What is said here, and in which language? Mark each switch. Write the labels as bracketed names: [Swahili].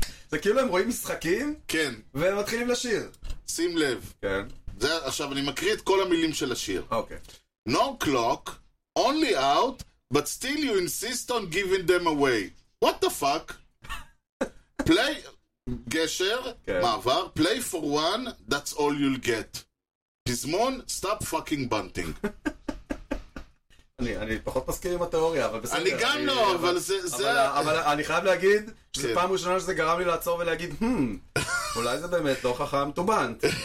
[Hebrew] זה כאילו הם רואים משחקים? כן. והם מתחילים לשיר? שים לב. כן. עכשיו אני מקריא את כל המילים של השיר. אוקיי. [English] No clock, only out, but still you insist on giving them away. What the fuck? Play, [Hebrew] גשר, כן. מעבר, [English] play for one, that's all you'll get. [Hebrew] פזמון, [English] stop fucking bunting. [Hebrew] אני פחות מסכים עם התיאוריה, אבל בסדר. אני גם לא, אבל זה... אבל אני חייב להגיד, זה פעם ראשונה שזה גרם לי לעצור ולהגיד, אולי זה באמת לא חכם, טובנט.